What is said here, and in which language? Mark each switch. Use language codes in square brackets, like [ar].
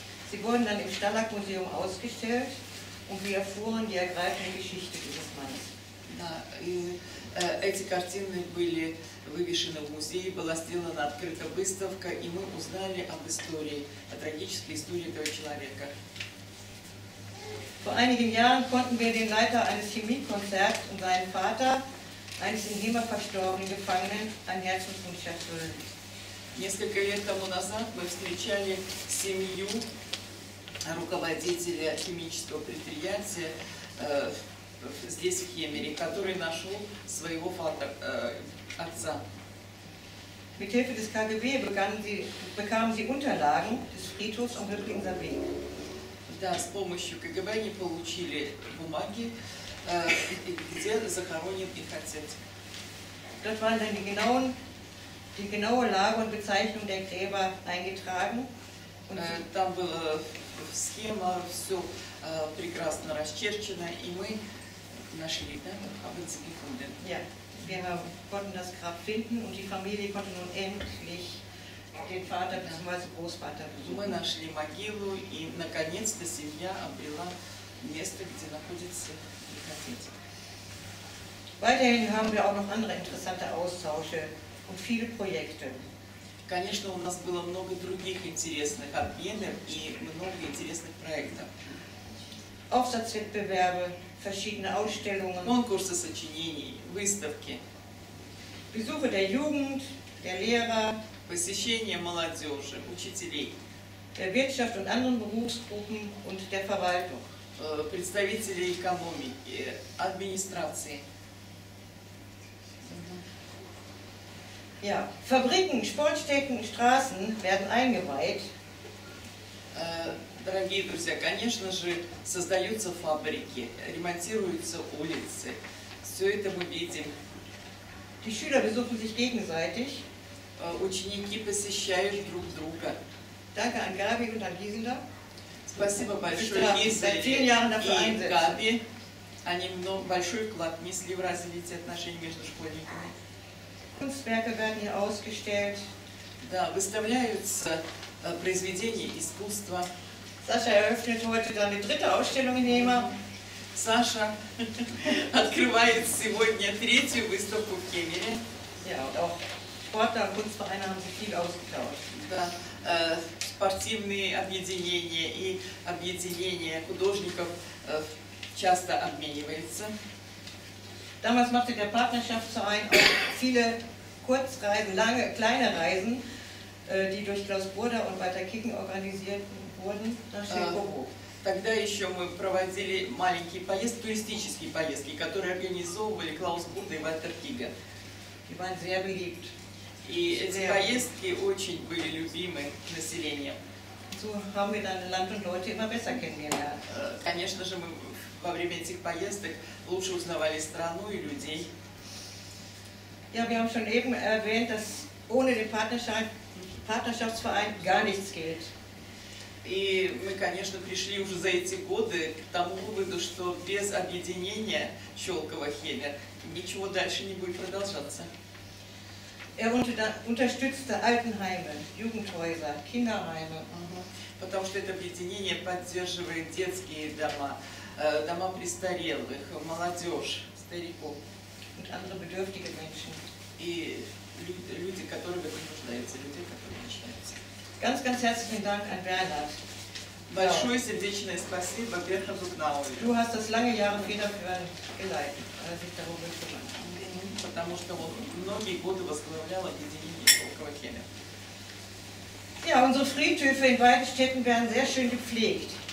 [de] Sie wurden dann im Stalag-Museum ausgestellt und wir erfuhren die ergreifende Geschichte dieses Mannes. [ru] Эти картины были вывешены в музее, была сделана открыта выставка, и мы узнали об истории, о трагической истории этого человека. [de] Vor einigen Jahren konnten wir den Leiter eines Chemiekonzerts und seinen Vater, eines in Hemer verstorbenen Gefangenen, an Herz und Wunsch erfüllen. [ru] Несколько лет тому назад мы встречали семью руководителя химического предприятия здесь, в Хемере, который нашел своего отца. [de] Mit Hilfe des KGB bekamen sie Unterlagen des Friedhofs am Höfling Sabin. [ru] Да, с помощью КГБ они получили бумаги, где захоронен их отец. [de] Dort waren dann die genaue Lage und Bezeichnung der Gräber eingetragen. [ru] Там была схема, все прекрасно расчерчено, и мы нашли, да, [de] haben sie gefunden. Ja, wir konnten das Grab finden und die Familie konnte nun endlich den Vater bzw. Großvater besuchen. [ru] Мы нашли могилу и наконец-то семья обрела место, где находится их отец. [de] Weiterhin haben wir auch noch andere interessante Austausche und viele Projekte. [ru] Конечно, у нас было много других интересных обменов и много интересных проектов. [de] Aufsatzwettbewerbe, verschiedene Ausstellungen. [ru] Конкурсы сочинений, выставки. [de] Besuche der Jugend, der Lehrer, [ru] посещение молодежи, учителей, [de] der Wirtschaft und anderen Berufsgruppen und der Verwaltung, [ru] представителей экономики, администрации. [de] Ja, Fabriken, Sportstätten, Straßen werden eingeweiht. [ru] Дорогие друзья, конечно же, создаются фабрики, ремонтируются улицы. Все это мы видим. [de] Die Schüler besuchen sich gegenseitig. [ru] Ученики посещают друг друга. [de] Danke an Gabi und an Gisela. [ru] Спасибо большое, Gisela и Gabi. Они большой вклад внесли в развитие отношений между школьниками. [de] Kunstwerke werden hier ausgestellt. [ru] Да, выставляются произведения искусства. [de] Sascha eröffnet heute seine dritte Ausstellung in Hemer. [ru] Sascha открывает сегодня третью выставку в Кемере. [de] Ja, und auch Sportler und Kunstvereine haben sich viel ausgetauscht. [ru] Да, спортивные объединения и объединения художников часто обмениваются. [de] Damals machte der Partnerschaftsverein auch viele Kurzreisen, lange, kleine Reisen, die durch Klaus Burda und Walter Kicken organisiert wurden nach Chicago. [ru] Тогда еще мы проводили маленькие поездки, туристические поездки, которые организовывали Клаус Бурда и Вальтер Киген. [de] Die waren sehr beliebt. [ru] И эти поездки очень были любимы населением. [de] So haben wir dann Land und Leute immer besser kennengelernt. [ru] Конечно же, мы во время этих поездок лучше узнавали страну и людей. [de] Ja, wir haben schon eben erwähnt, dass ohne den Partnerschaftsverein gar nichts geht. [ru] И мы, конечно, пришли уже за эти годы к тому выводу, что без объединения Щелково-Хемер ничего дальше не будет продолжаться. [de] Er unterstützte Altenheime, Jugendhäuser, Kinderheime. [ru] Потому что это объединение поддерживает детские дома, дома престарелых, молодежь, стариков. [de] Und andere bedürftige Menschen. [ru] И люди, которые в этом нуждаются, люди, которые нуждаются. [de] Ganz, ganz herzlichen Dank an Bernhard. [ru] Большое сердечное спасибо Бернарду Гнауэру. [de] Du hast das lange Jahre federführend geleitet, als ich darüber gesprochen habe. [ru] Потому что он многие годы возглавлял объединение Щелково-Хемер. [de] Ja, unsere Friedhöfe in beiden Städten werden sehr schön gepflegt.